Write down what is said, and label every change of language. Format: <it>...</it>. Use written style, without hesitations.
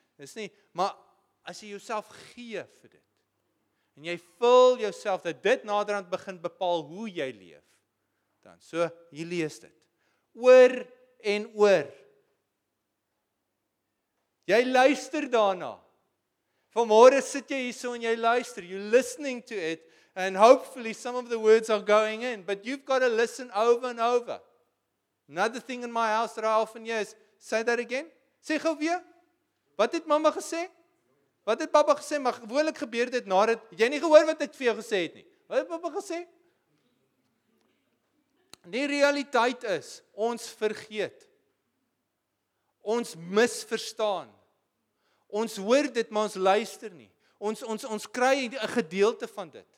<af>Dis nie, maar as jy jouself gee vir dit, en jy vul jouself dat dit naderhand begin bepaal hoe jy leef, dan so, jy lees dit. Oor en oor. Jy luister daarna. Vanmôre sit jy hier so en jy luister.</af> <en>You're listening to it, and hopefully some of the words are going in, but you've got to listen over and over. Another thing in my house that I often hear is, say that again.</en> <af>Sê gou weer. Wat het mama gesê? Wat het papa gesê? Maar gewoonlik gebeur dit nadat jy nie gehoor wat ek vir jou gesê het nie. Wat het papa gesê? Die realiteit is, ons vergeet. Ons misverstaan. Ons hoor dit, maar ons luister nie. Ons kry 'n gedeelte van dit.</af>